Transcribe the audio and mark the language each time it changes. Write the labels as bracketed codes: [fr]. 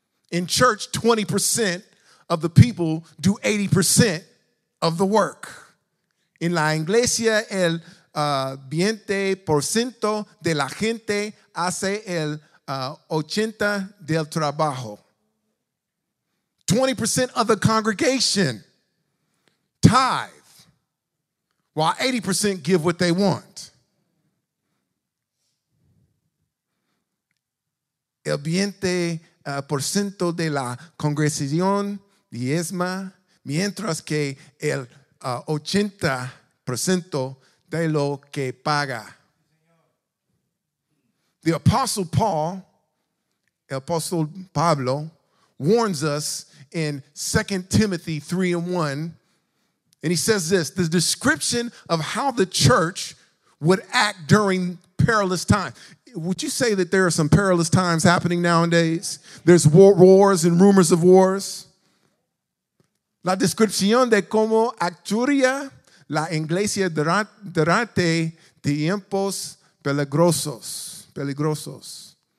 [en] In church, 20% of the people do 80% of the work. [es] En la iglesia, el 20% de la gente hace el 80 del trabajo. [en] 20% of the congregation tithe, while 80% give what they want. [es] El 20% de la congregación diezma, mientras que el 80% de lo que paga. [en] The Apostle Paul, el Apostle Pablo, warns us in 2 Timothy 3:1, and he says this: the description of how the church would act during perilous times. Would you say that there are some perilous times happening nowadays? There's wars and rumors of wars. [es] La descripción de cómo actuaría la iglesia durante tiempos peligrosos.